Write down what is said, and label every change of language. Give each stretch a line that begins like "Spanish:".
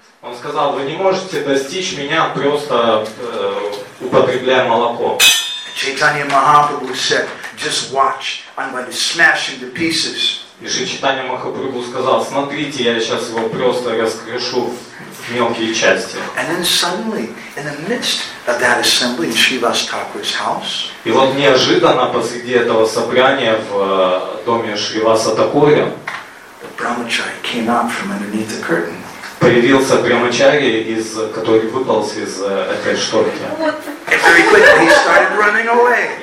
Russian: Он сказал, вы не можете достичь меня просто употребляя молоко.
English: Чайтанья Махапрабху said, just watch, I'm going to smash into pieces.
Russian: И Шри Чайтанья Махапрабху сказал, смотрите, я сейчас его просто раскрошу в мелкие части.
English: And then suddenly, in the midst of that assembly in Srivas Thakur's house.
Russian: И вот неожиданно посреди этого собрания в доме Шриваса Такури.
English: Brahmacharya came out from underneath the curtain.
Russian: Появился брамачарья, из который выпал из этой шторки.
English: And very quickly he started running away.